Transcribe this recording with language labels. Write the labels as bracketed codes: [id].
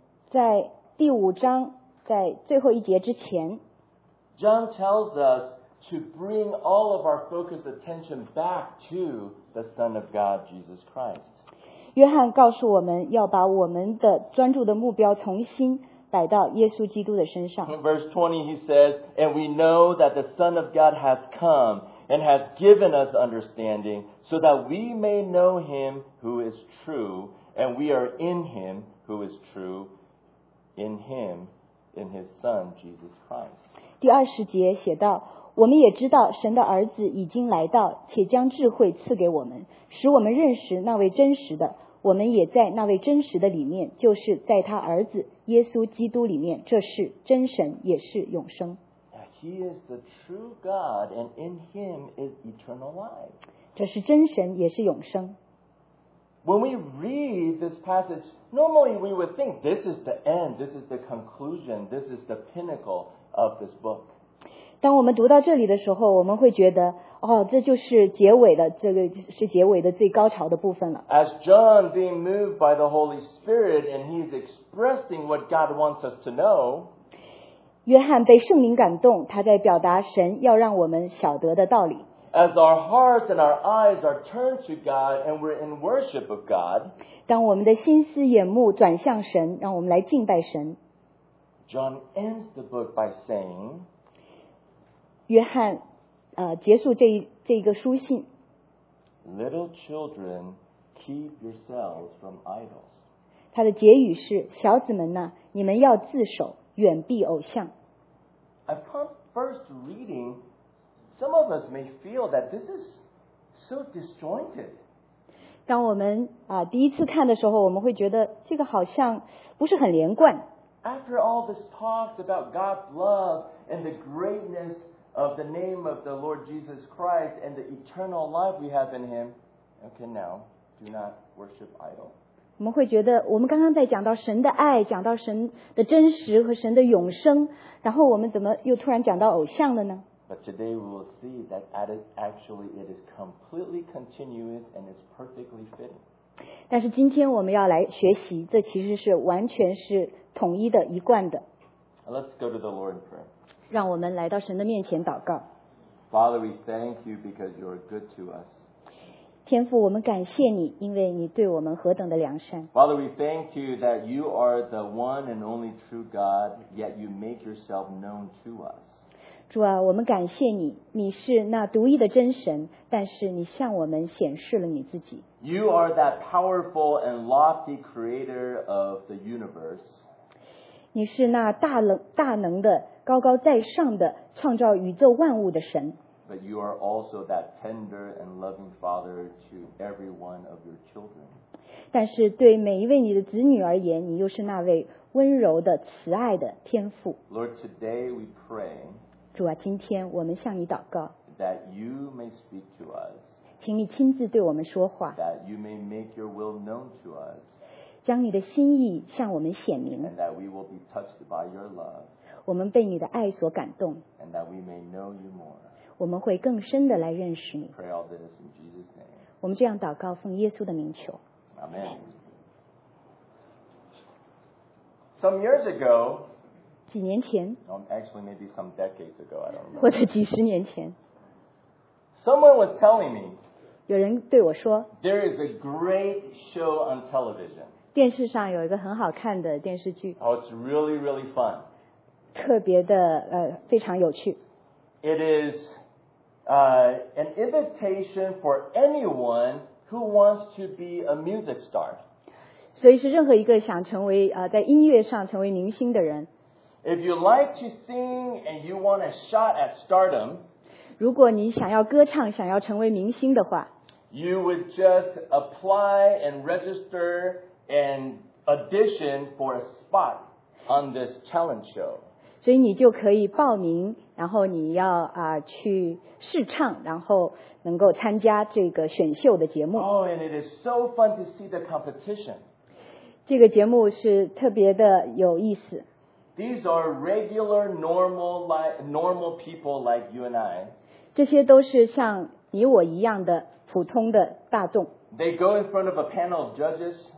[zh] 在第五章，在最后一节之前， [en] John tells us to bring all of our focused attention back to the Son of God, Jesus Christ. [zh] 约翰告诉我们要把我们的专注的目标重新摆到耶稣基督的身上。 [en] In verse 20, he says, And we know that the Son of God has come and has given us understanding so that we may know him who is true, and we are in him who is true, in him, in his Son, Jesus Christ. [zh] 第二十节写道，我们也知道神的儿子已经来到，且将智慧赐给我们，使我们认识那位真实的。我们也在那位真实的里面，就是在他儿子耶稣基督里面，这是真神，也是永生。 [en] He is the true God, and in him is eternal life. [zh] 这是真神，也是永生。 [en] When we read this passage, normally we would think this is the end, this is the conclusion, this is the pinnacle of this book. [zh] 当我们读到这里的时候，我们会觉得哦，这就是结尾的，这个是结尾的最高潮的部分了。 [en] As John being moved by the Holy Spirit and he's expressing what God wants us to know, [zh] 约翰被圣灵感动，他在表达神要让我们晓得的道理。 [en] As our hearts and our eyes are turned to God and we're in worship of God, [zh] 当我们的心思眼目转向神，让我们来敬拜神。 [en] John ends the book by saying, [zh] 约翰结束这一个书信。 [en] Little children, keep yourselves from idols. [zh] 他的结语是：小子们呐，你们要自守，远避偶像。 [en] Upon first reading, some of us may feel that this is so disjointed. [zh] 当我们第一次看的时候，我们会觉得这个好像不是很连贯。 [en] After all this talks about God's love and the greatness of the name of the Lord Jesus Christ and the eternal life we have in him. Okay, now, do not worship idol. [zh] 我们会觉得我们刚刚在讲到神的爱，讲到神的真实和神的永生，然后我们怎么又突然讲到偶像了呢？ [en] But today we will see that actually it is completely continuous and is perfectly fitting. [zh] 但是今天我们要来学习，这其实是完全是统一的，一贯的。 [en] Let's go to the Lord in prayer. [zh] 让我们来到神的面前祷告。 [en] Father, we thank you because you are good to us. [zh] 天父，我们感谢你，因为你对我们何等的良善。 [en] Father, we thank you that you are the one and only true God, yet you make yourself known to us. [zh] 主啊，我们感谢你，你是那独一的真神，但是你向我们显示了你自己。 [en] You are that powerful and lofty creator of the universe. [zh] 你是那大能的高高在上的创造宇宙万物的神。 [en] But you are also that tender and loving father to every one of your children. [zh] 但是对每一位你的子女而言，你又是那位温柔的慈爱的天父。 [en] Lord, today we pray. [zh] 主啊，今天我们向你祷告。 [en] That you may speak to us. [zh] 请你亲自对我们说话。 [en] That you may make your will known to us. [zh] 将你的心意向我们显明， [en] and that we will be touched by your love, [zh] 我们被你的爱所感动， [en] and that we may know you more, [zh] 我们会更深的来认识你。 [en] Pray all this in Jesus' name. [zh] 我们这样祷告，奉耶稣的名求。 [en] Amen. Some years ago, [zh] 几年前， [en] actually maybe some decades ago, I don't remember. [zh] 或者几十年前， [en] someone was telling me, [zh] 有人对我说， [en] there is a great show on television. [zh] 电视上有一个很好看的电视剧。 [en] Oh, it's really, really fun. [zh] 特别的非常有趣。 [en] It is an invitation for anyone who wants to be a music star. [zh] 所以是任何一个想成为在音乐上成为明星的人。 [en] If you like to sing and you want a shot at stardom, [zh] 如果你想要歌唱，想要成为明星的话。 [en] You would just apply and register and audition for a spot on this talent show. [zh] 所以你就可以报名，然后你要去试唱，然后能够参加这个选秀的节目。 [en] Oh, and it is so fun to see the competition. [zh] 这个节目是特别的有意思。 [en] These are regular, normal people like you and I. [zh] 这些都是像你我一样的。普通的大众。 [en] They go in front of a panel of judges.